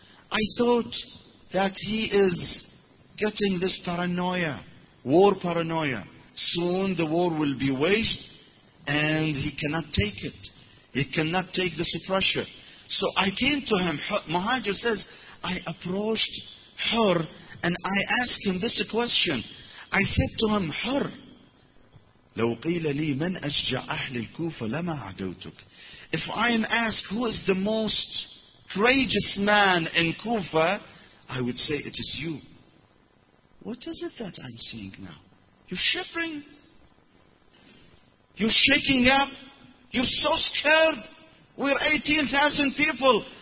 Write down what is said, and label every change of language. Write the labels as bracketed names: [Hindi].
[English] I thought that he is getting this paranoia, war paranoia. Soon the war will be waged. And he cannot take it. He cannot take this pressure. So I came to him. Muhajir says, I approached Hur and I asked him this question. I said to him, [Arabic] Hur, لو قيل لي من أشجع أهل الكوفة لما عدوتك. [English] If I am asked who is the most courageous man in Kufa, I would say it is you. What is it that I'm seeing now? You're shivering. You're shaking up. You're so scared. We're 18,000 people.